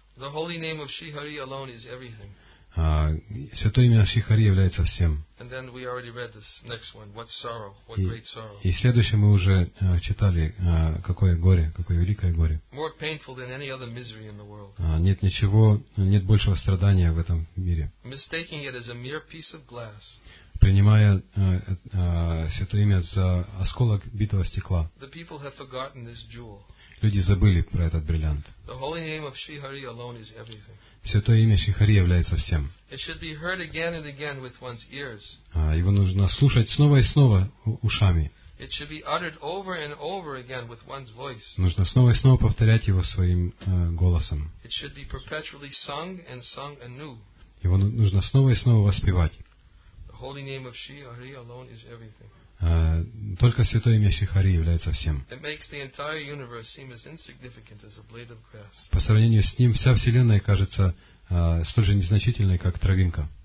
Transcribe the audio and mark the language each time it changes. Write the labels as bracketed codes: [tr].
[en] The holy name of Shri Hari alone is everything. [ru] Святое имя Шри Хари является всем. [en] And then we already read this next one. What sorrow, what great sorrow. [ru] И следующее мы уже читали, какое горе, какое великое горе. [en] More painful than any other misery in the world. [ru] Нет ничего, нет большего страдания в этом мире. [en] Mistaking it as a mere piece of glass. [ru] Принимая святое имя за осколок битого стекла. [en] The people have forgotten this jewel. [ru] Люди забыли про этот бриллиант. [en] The holy name of Shri Hari alone is everything. [ru] Святое имя Шри Хари является всем. [en] It should be heard again and again with one's ears. [ru] Его нужно слушать снова и снова ушами. [en] It should be uttered over and over again with one's voice. [ru] Нужно снова и снова повторять его своим голосом. [en] It should be perpetually sung and sung anew. [ru] Его нужно снова и снова воспевать. [en] Holy name of Shri Hari alone is everything. [ru] Только святое имя Шри Хари является всем. [en] It makes the entire universe seem as insignificant as a blade of grass. [ru] По сравнению с ним вся вселенная кажется столь же незначительной, как травинка.